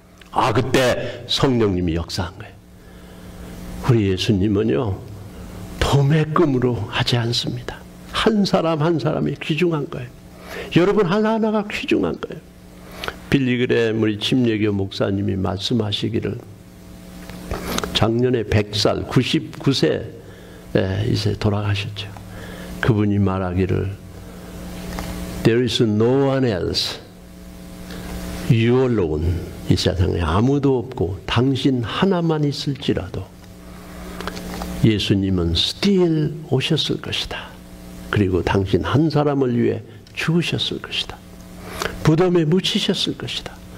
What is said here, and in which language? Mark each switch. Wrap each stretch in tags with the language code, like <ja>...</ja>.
<ko>아 그때 성령님이 역사한 거예요. 우리 예수님은요 도매 꿈으로 하지 않습니다. 한 사람 한 사람이 귀중한 거예요. 여러분 하나하나가 귀중한 거예요. 빌리 그레엄 우리 침례교 목사님이 말씀하시기를 작년에 100살, 99세 이제 돌아가셨죠. 그분이 말하기를</ko> <en>There is no one else. You alone.</en> <ko>이 세상에 아무도 없고 당신 하나만 있을지라도 예수님은 still 오셨을 것이다. 그리고 당신 한 사람을 위해 죽으셨을 것이다. 무덤에 묻히셨을 것이다.</ko>